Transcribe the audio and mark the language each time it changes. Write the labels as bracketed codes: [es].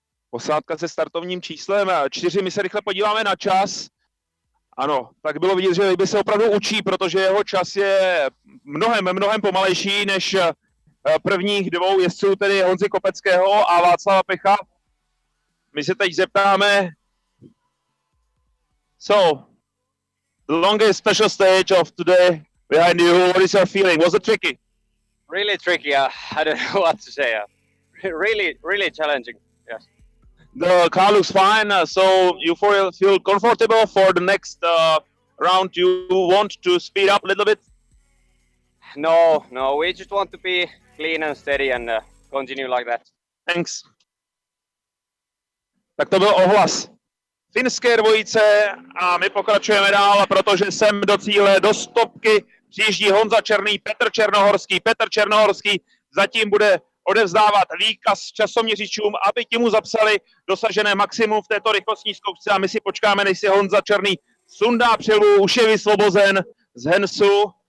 [cs] Posádka se startovním číslem 4. My se rychle podíváme na čas. Ano, tak bylo vidět, že by se opravdu učí, protože jeho čas je mnohem pomalejší než prvních dvou jezdců, tedy Honzy Kopeckého a Václava Pecha. My se teď zeptáme. [en] So, the longest special stage of today behind you, what is your feeling? Was it tricky? Really tricky, I don't know what to say. Really challenging, yes. The car looks fine, so you feel comfortable for the next round. You want to speed up a little bit? No, we just want to be clean and steady and continue like that. Thanks. [cs] Tak to byl ohlas finské dvojice a my pokračujeme dál, protože sem do cíle, do stopky přijíždí Honza Černý, Petr Černohorský. Petr Černohorský zatím bude odevzdávat výkaz časoměřičům, aby ti mu zapsali dosažené maximum v této rychlostní zkoušce a my si počkáme, než si Honza Černý sundá přilbu, už je vysvobozen z Hensu.